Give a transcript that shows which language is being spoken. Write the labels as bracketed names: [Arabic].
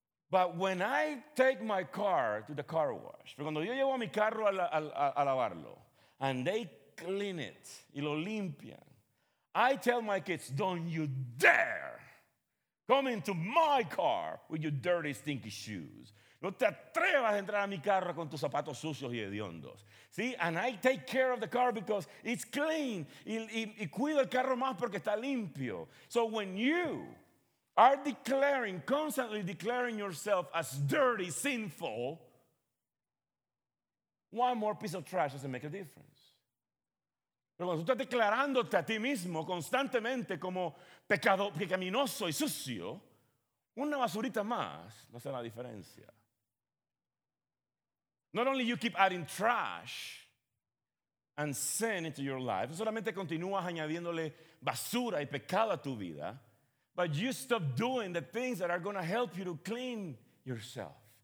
[English] But when I take my car to the car wash, [Spanish] cuando yo llevo a mi carro a lavarlo, [English] and they clean it, [Spanish] y lo limpian, [English] I tell my kids, don't you dare come into my car with your dirty, stinky shoes. [Spanish] No te atrevas a entrar a mi carro con tus zapatos sucios y hediondos. [English] See, and I take care of the car because it's clean. [Spanish] Y cuido el carro más porque está limpio. [English] So when you are constantly declaring yourself as dirty, sinful, one more piece of trash doesn't make a difference. [Spanish] Pero cuando tú estás declarándote a ti mismo constantemente como pecado, pecaminoso y sucio, una basurita más no hace la diferencia. [English] Not only you keep adding trash and sin into your life, [Spanish] solamente continúas añadiéndole basura y pecado a tu vida, [English] but you stop doing the things that are going to help you to clean yourself.